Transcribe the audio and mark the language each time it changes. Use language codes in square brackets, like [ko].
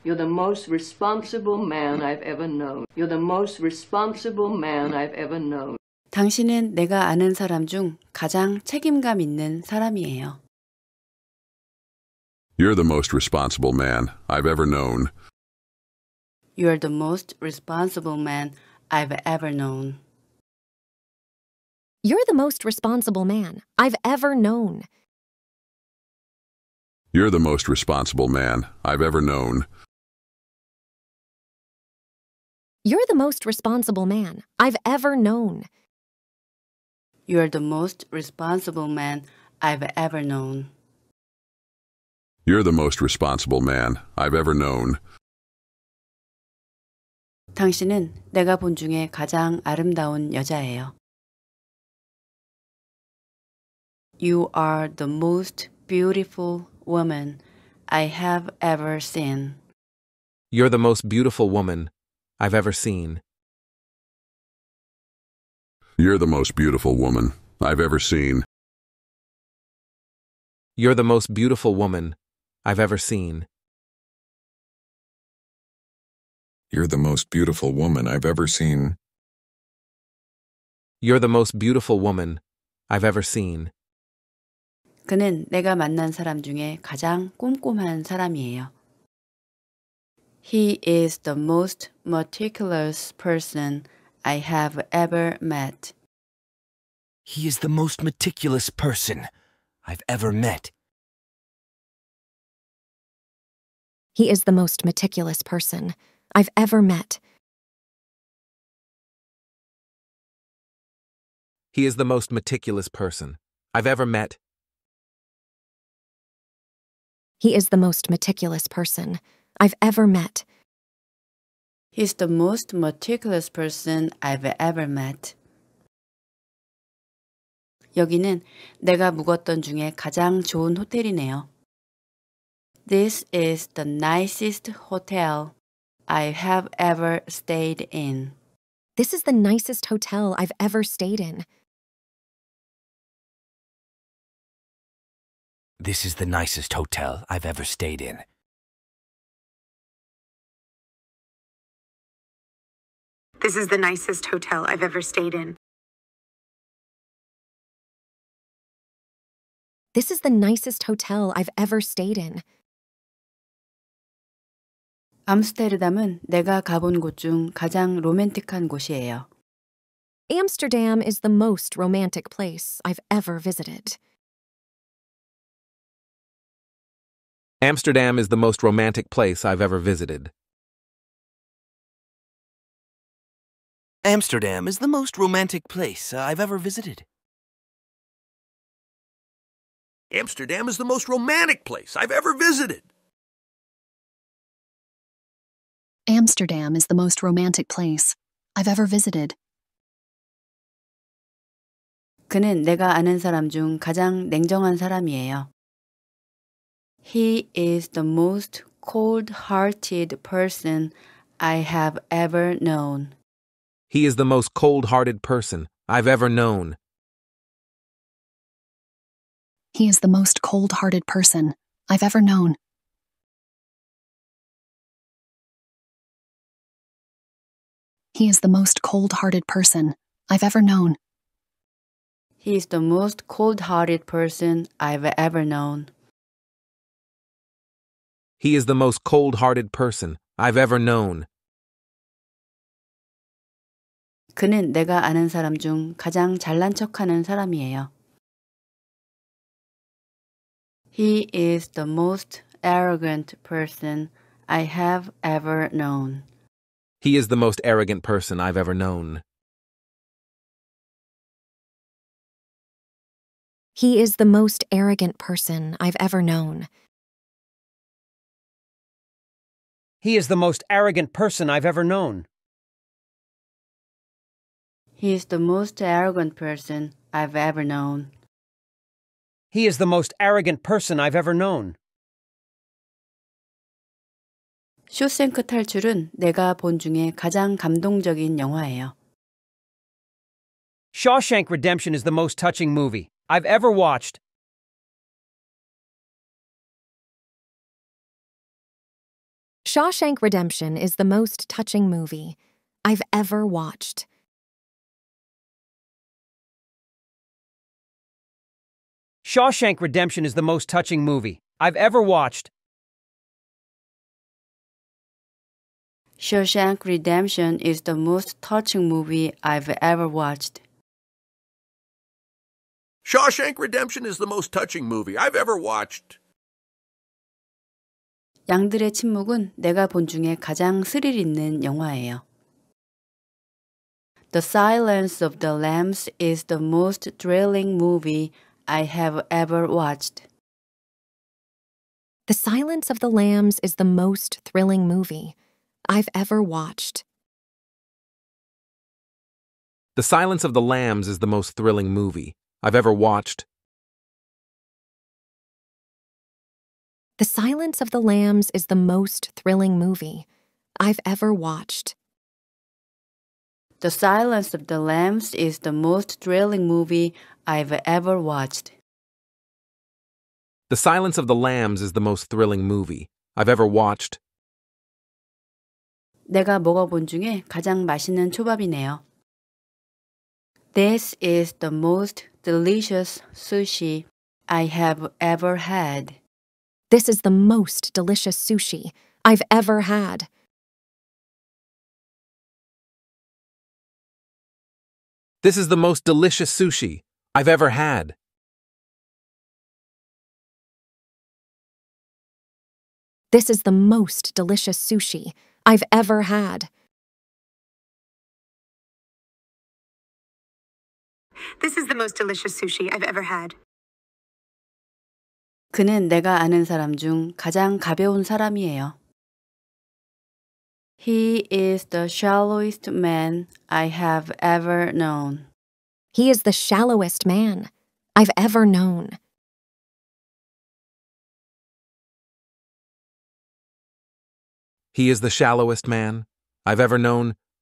[en] You're the most responsible man I've ever known. You're the most responsible man I've ever known. [ko] 당신은 내가 아는 사람 중 가장 책임감 있는 사람이에요. [en] You're the most responsible man I've ever known. You're the most responsible man I've ever known. You're the most responsible man I've ever known. You're the most responsible man I've ever known. You're the most responsible man I've ever known. You're the most responsible man I've ever known. You're the most responsible man I've ever known. [ko] 당신은 내가 본 중에 가장 아름다운 여자예요. [en] You are the most beautiful woman I have ever seen. You're the most beautiful woman I've ever seen. You're the most beautiful woman I've ever seen. You're the most beautiful woman I've ever seen. You're the most beautiful woman I've ever seen. You're the most beautiful woman I've ever seen. [ko] 그는 내가 만난 사람 중에 가장 꼼꼼한 사람이에요. [en] He is the most meticulous person I have ever met. He is the most meticulous person I've ever met. He is the most meticulous person I've ever met. He is the most meticulous person I've ever met. He is the most meticulous person I've ever met. He's the most meticulous person I've ever met. [ko] 여기는 내가 묵었던 중에 가장 좋은 호텔이네요. [en] This is the nicest hotel I have ever stayed in. This is the nicest hotel I've ever stayed in. This is the nicest hotel I've ever stayed in. This is the nicest hotel I've ever stayed in. This is the nicest hotel I've ever stayed in. [ko] 암스테르담은 내가 가본 곳 중 가장 로맨틱한 곳이에요. [en] Amsterdam is the most romantic place I've ever visited. Amsterdam is the most romantic place I've ever visited. Amsterdam is the most romantic place I've ever visited. Amsterdam is the most romantic place I've ever visited. Amsterdam is the most romantic place I've ever visited. [ko] 그는 내가 아는 사람 중 가장 냉정한 사람이에요. [en] He is the most cold-hearted person I have ever known. He is the most cold-hearted person I've ever known. He is the most cold-hearted person I've ever known. He is the most cold-hearted person I've ever known. He is the most cold-hearted person I've ever known. He is the most cold-hearted person I've ever known. [ko] 그는 내가 아는 사람 중 가장 잘난 척하는 사람이에요. [en] He is the most arrogant person I have ever known. He is the most arrogant person I've ever known. He is the most arrogant person I've ever known. He is the most arrogant person I've ever known. He is the most arrogant person I've ever known. He is the most arrogant person I've ever known. [ko] 쇼생크 탈출은 내가 본 중에 가장 감동적인 영화예요. [en] Shawshank Redemption is the most touching movie I've ever watched. Shawshank Shawshank Redemption is the most touching movie I've ever watched. Shawshank Redemption is the most touching movie I've ever watched. Shawshank Redemption is the most touching movie I've ever watched. Shawshank Redemption is the most touching movie I've ever watched. [ko] 양들의 침묵은 내가 본 중에 가장 스릴 있는 영화예요. [en] The Silence of the Lambs is the most thrilling movie I have ever watched. The Silence of the Lambs is the most thrilling movie I've ever watched. The Silence of the Lambs is the most thrilling movie I've ever watched. The Silence of the Lambs is the most thrilling movie I've ever watched. The Silence of the Lambs is the most thrilling movie I've ever watched. The Silence of the Lambs is the most thrilling movie I've ever watched. [ko] 내가 먹어본 중에 가장 맛있는 초밥이네요. [en] This is the most delicious sushi I have ever had. This is the most delicious sushi I've ever had. This is the most delicious sushi I've ever had. This is the most delicious sushi I've ever had. This is the most delicious sushi I've ever had. [ko] 그는 내가 아는 사람 중 가장 가벼운 사람이에요. [en] He is the shallowest man I have ever known. He is the shallowest man I've ever known. He is the shallowest man I've ever known.